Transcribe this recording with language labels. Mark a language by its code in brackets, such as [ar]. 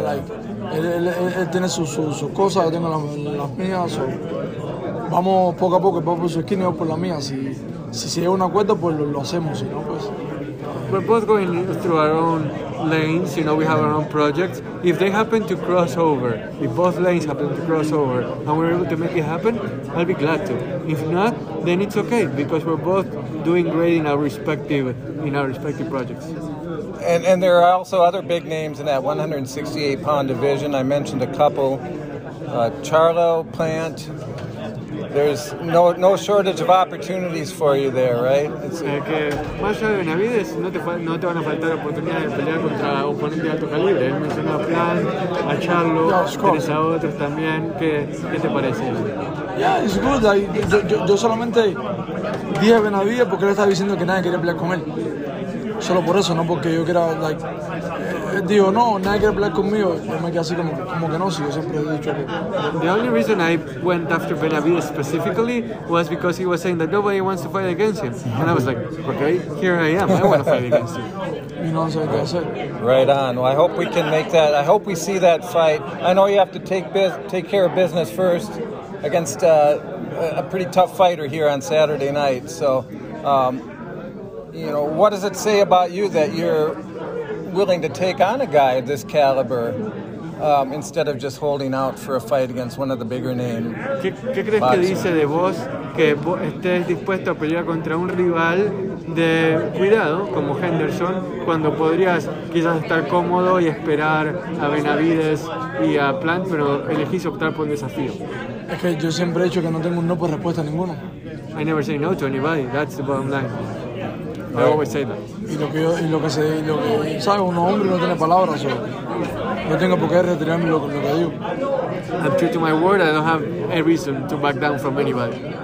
[es] Like, él tiene su cosas, yo tengo las mías. So. Vamos poco a poco, vamos por su esquina y por la mía. Si hay un acuerdo, pues lo hacemos, si no, pues... [en] We're both going through our own lanes, you know, we have our own projects. If they happen to cross over, if both lanes happen to cross over, and we're able to make it happen, I'll be glad to. If not, then it's okay, because we're both doing great in our respective projects. And there are also other big names in that 168-pound division. I mentioned a couple, Charlo, Plant... There's no shortage of opportunities for you there, right? [es] Que más allá de Benavidez, no te van a faltar oportunidades de pelear contra oponentes de alto calibre. Mencionó a Plan, a Charlo, tienes a otros también. ¿Qué te parece? [en] Yeah, it's good. [es] Yo solamente dije a Benavidez porque él estaba diciendo que nadie quería pelear con él. Solo por eso, no porque yo quiera, like, él dijo, no, nadie quiere pelear conmigo. Yo me quedé así como que no, si yo siempre he dicho que... [en] The only reason I went after Benavidez specifically was because he was saying that nobody wants to fight against him. And I was like, okay, here I am. I want to fight against him. You know what I'm saying? Right on. Well, I hope we can make that. I hope we see that fight. I know you have to take care of business first against a pretty tough fighter here on Saturday night. So, you know, what does it say about you that you're willing to take on a guy of this caliber instead of just holding out for a fight against one of the bigger name? [es] ¿Qué crees que dice de vos que estés dispuesto a pelear contra un rival de cuidado como Henderson cuando podrías quizás estar cómodo y esperar a Benavidez y a Plant, pero elegís optar por un desafío? Es que yo siempre he dicho que no tengo un no por respuesta a ninguno. [en] I never say no to anybody. That's the bottom line. I always say that. [es] Y lo que sabe uno hombre no tiene palabras. No tengo por qué retirarme lo que digo. [en] I'm true to my word. I don't have a reason to back down from anybody.